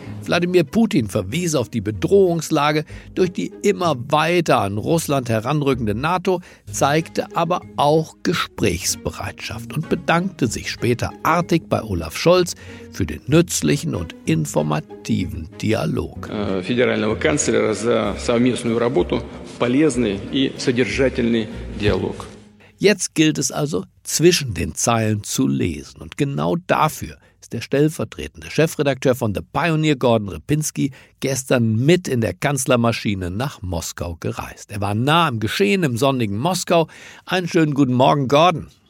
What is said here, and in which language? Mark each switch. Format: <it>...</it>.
<de>Wladimir Putin verwies auf die Bedrohungslage durch die immer weiter an Russland heranrückende NATO, zeigte aber auch Gesprächsbereitschaft und bedankte sich später artig bei Olaf Scholz für den nützlichen und informativen Dialog.</de> <ru>Федерального канцлера за совместную работу, полезный и содержательный диалог.</ru> <de>Jetzt gilt es also, zwischen den Zeilen zu lesen. Und genau dafür ist der stellvertretende Chefredakteur von The Pioneer, Gordon Ripinski, gestern mit in der Kanzlermaschine nach Moskau gereist. Er war nah am Geschehen im sonnigen Moskau. Einen schönen guten Morgen, Gordon.</de>